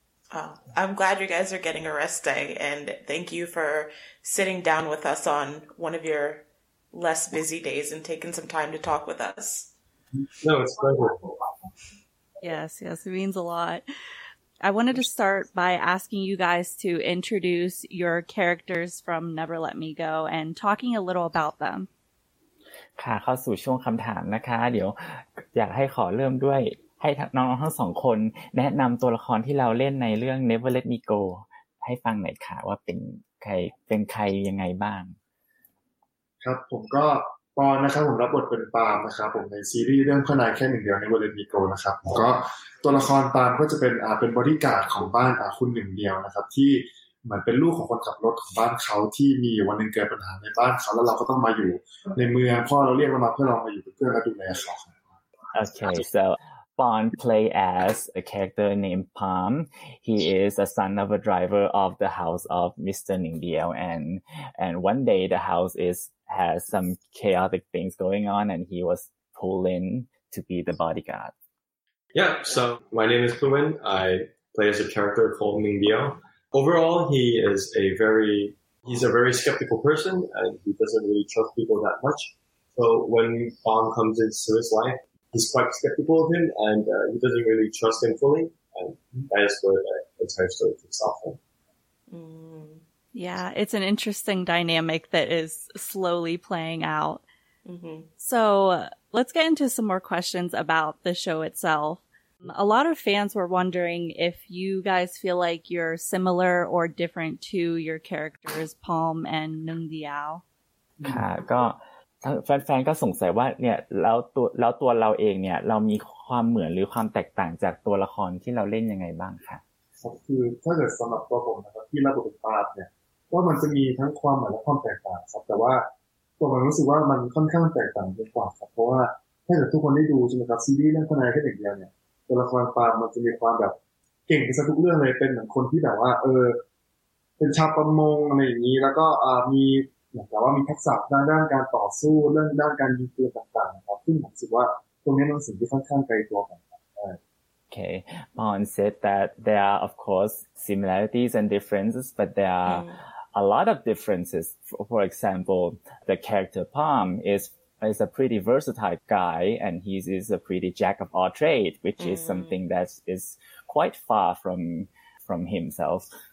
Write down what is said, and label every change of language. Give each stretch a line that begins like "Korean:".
English: Oh, I'm glad you guys are getting a rest day and thank you for sitting down with us on one of your less busy days and taking some time to talk with us. No, it's a pleasure. Yes, it means a lot. I wanted to start by asking you guys to introduce your characters from Never Let Me Go and talking a little about them.
Thai: ค่ะเข้าสู่ช่วงคำถามนะคะเดี๋ยวอยากให้ขอเริ่มด้วยให้น้องๆทั้งสองคนแนะนำตัวละครที่เราเล่นในเรื่อง Never Let Me Go ให้ฟังหน่อยค่ะว่าเป็นใครยังไงบ้าง ครับผมก็ปอนะครับผมรับบทเป็นปาล์มนะครับผมในซีรีส์เรื่องพ่อนายแค่หนึ่งเดียว Never Let Me Go นะครับก็ตัวละครปาล์มก็จะเป็นบอดี้การ์ดของบ้านคุณหนึ่งเดียวนะครับที่เหมือนเป็นลูกของคนขับรถของบ้านเขาที่มีวันหนึ่งเกิดปัญหาในบ้านเขาแล้วเราก็ต้องมาอยู่ในเมืองพ่อเราเรียกเรามาเพื่อเรามาอยู่เป็นเพื่อนและดูแลเขา
English: โอเค so Bond play as a character named Palm he is a son of a driver of the house of Mr. Ning Diao and one day the house has some chaotic things going on and he was pulled in to be the bodyguard Yeah, so my name is Pooin. I play as a character called Ning Diao. Overall, he's a very skeptical person and he doesn't really trust people that much. So when Bong comes into his life, he's quite skeptical of him and he doesn't really trust him fully. And that is where the entire story kicks off. Yeah, it's an interesting dynamic that is slowly playing out. Mm-hmm. So let's get into some more questions about the show itself. A lot of fans were wondering if you guys feel like you're similar or different to your characters, Palm and Nung Diao.
Thai: ค่ะก็แฟนๆก็สงสัยว่าเนี่ยแล้วตัวเราเองเนี่ยเรามีความเหมือนหรือความแตกต่างจากตัวละครที่เราเล่นยังไงบ้างคะ คือถ้าเกิดสำหรับตัวผมนะครับที่รับบทเป็นปาบเนี่ยก็มันจะมีทั้งความเหมือนและความแตกต่างครับแต่ว่าตัวผมรู้สึกว่ามันค่อนข้างแตกต่างไปกว่าครับเพราะว่าถ้าเกิดทุกคนได้ดูใช่ไหมครับซีรีส์เรื่องทนายแค่เด็กเดียวเนี่ยตัวละครปาบมันจะมีความแบบเก่งในทุกเรื่องเลยเป็นเหมือนคนที่แบบว่าเออเป็นชาวประมงอะไรอย่างนี้แล้วก็มีแต่ว่ามีทักษะด้านการต่อสู้เรื่องด้านการยิงปืนต่างๆครับซึ่งผมรู้สึกว่าตัวนี้มันสิ่งที่ค่อนข้างไกลตัวกัน
English: Okay, Bon said that there are, of course, similarities and differences, but there are a lot of differences. For example, the character Palm is a pretty versatile guy, and he is a pretty jack of all trades, which is something that is quite far from himself.